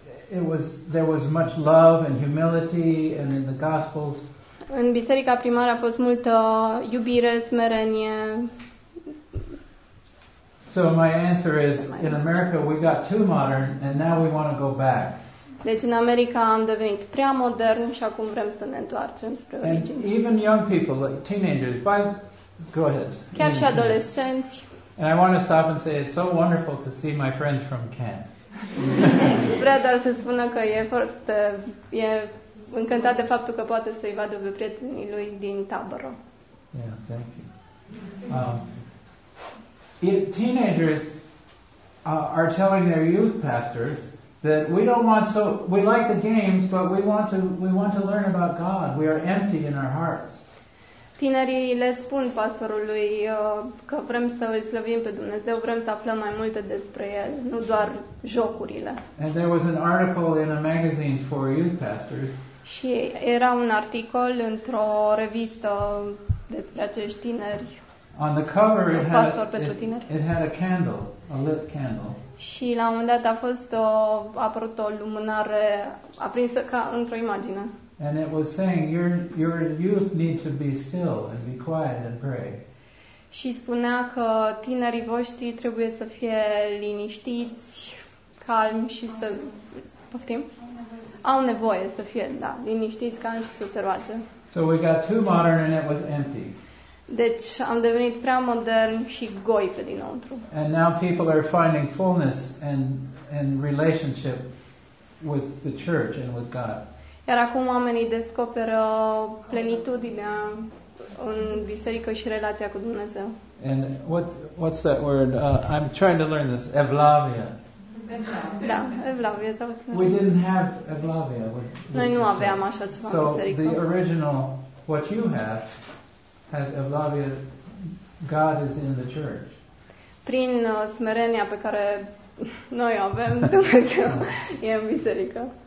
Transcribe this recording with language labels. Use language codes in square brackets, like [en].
[en] There was much love and humility, and in the Gospels. [ro] În biserica primară a fost multă iubire, smerenie. [en] So my answer is, in America we got too modern and now we want to go back. [ro] Deci în America am devenit prea modern și acum vrem să ne întoarcem spre origine. [en] And even young people, like teenagers, by go ahead. [ro] Chiar și adolescenți. [en] And I want to stop and say it's so wonderful to see my friends from Kent. [ro] Vreau doar să spună că e încântat de faptul că poate să-i vadă pe prietenii lui din tabără. [en] Yeah, thank you. Teenagers are telling their youth pastors that we don't want so we like the games, but we want to learn about God. We are empty in our hearts. [ro] Tinerii le spun pastorului că vrem să îl slăvim pe Dumnezeu, vrem să aflăm mai multe despre el, nu doar jocurile. [en] And there was an article in a magazine for youth pastors. [ro] Și era un articol într-o revistă despre acești tineri. [en] On the cover it had a candle, a lit candle. [ro] Și la un moment dat a apărut o lumânare aprinsă ca într-o imagine. [en] And it was saying your youth need to be still and be quiet and pray. [ro] Și spunea că tinerii voștri trebuie să fie liniștiți, calmi și să poftim. Au nevoie să fie, da, liniștiți, calmi și să se roage. [en] So we got too modern and it was empty. [ro] Deci am devenit prea modern și goi pe dinăuntru. [en] And now people are finding fullness and relationship with the church and with God. [ro] Iar acum oamenii descoperă plenitudinea în biserică și relația cu Dumnezeu. [en] And what's that word? I'm trying to learn this. Evlavia. [ro] Da, evlavia. [en] We didn't have evlavia. [ro] Noi nu aveam așa ceva în biserică. [en] So the original, what you have, has evlavia, God is in the church. [ro] Prin smerenia pe care noi o avem, Dumnezeu e în biserică.